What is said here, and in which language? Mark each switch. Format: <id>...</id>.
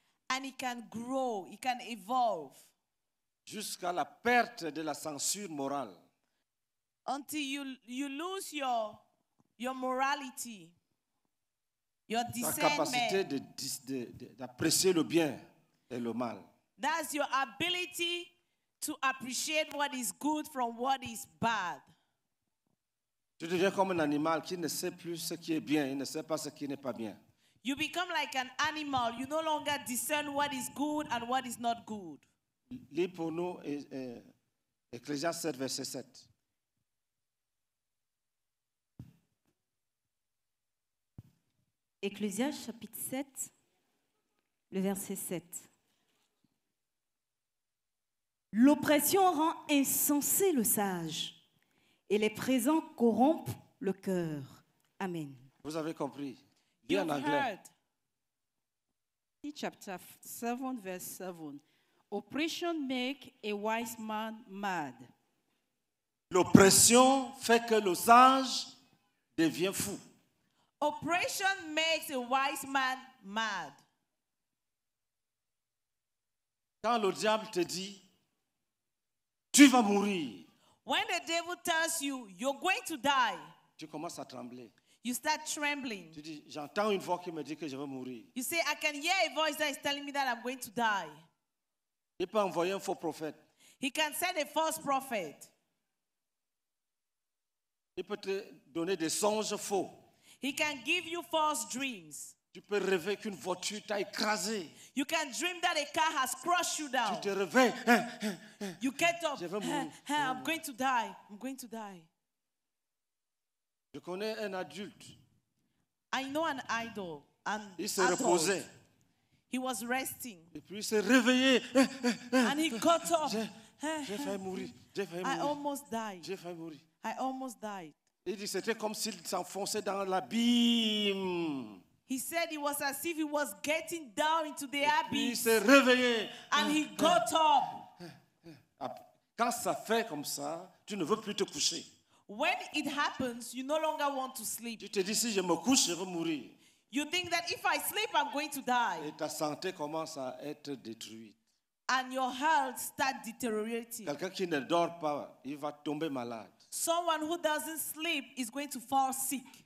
<en>And it can grow, it can evolve.</en> <fr>Jusqu'à la perte de la censure morale.</fr> <en>Until you lose your morality, your discernment.</en> <fr>Ta capacité d'apprécier le bien et le mal.</fr> <en>That's your ability to appreciate what is good from what is bad.</en> <fr>Tu deviens comme un animal qui ne sait plus ce qui est bien, il ne sait pas ce qui n'est pas bien.</fr> <en>You become like an animal. You no longer discern what is good and what is not good.</en> <fr>Lis pour nous Ecclésiastes 7, verset 7. Ecclésiastes, chapitre 7, le verset 7. L'oppression rend insensé le sage et les présents corrompent le cœur. Amen. Vous avez compris. Lis en anglais.</fr> <en>Chapter 7, verse 7. Oppression make a wise man mad.</en> <fr>L'oppression fait que le sage devient fou.</fr> <en>Oppression makes a wise man mad.</en> <fr>Quand le diable te dit, tu vas mourir.</fr> <en>When the devil tells you, you're going to die.</en> <fr>Tu commences à trembler.</fr> <en>You start trembling.</en> <fr>Tu dis, j'entends une voix qui me dit que je vais mourir.</fr> <en>You say, I can hear a voice that is telling me that I'm going to die.</en> <fr>Il peut envoyer un faux prophète.</fr> <en>He can send a false prophet.</en> <fr>Il peut te donner des songes faux.</fr> <en>He can give you false dreams.</en> <fr>Tu peux rêver qu'une voiture t'a écrasé.</fr> <en>You can dream that a car has crushed you down.</en> <fr>Tu te réveilles.</fr> <en>You get up.</en> <fr>Je vais mourir.</fr> <en>I'm going to die. I'm going to die.</en> <fr>Je connais un adulte.</fr> <en>I know an idol. An</en> <fr>il s'est reposé.</fr> <en>He was resting.</en> <fr>Et puis il s'est réveillé.</fr> <en>And he got up.</en> <fr>J'ai failli mourir. J'ai failli mourir.</fr> <en>I almost died.</en> <fr>J'ai failli mourir.</fr> <en>I almost died.</en> <fr>Il dit c'était comme s'il s'enfonçait dans l'abîme.</fr> <en>He said it was as if he was getting down into the abyss.</en> <fr>Il s'est réveillé.</fr> <en>And he got up.</en> <fr>Quand ça fait comme ça, tu ne veux plus te coucher.</fr> <en>When it happens, you no longer want to sleep.</en> <fr>Tu te dis, si je me couche, je vais mourir.</fr> <en>You think that if I sleep, I'm going to die.</en> <fr>Et ta santé commence à être détruite.</fr> <en>And your health starts deteriorating.</en> <fr>Quelqu'un qui ne dort pas, il va tomber malade.</fr> <en>Someone who doesn't sleep is going to fall sick.</en>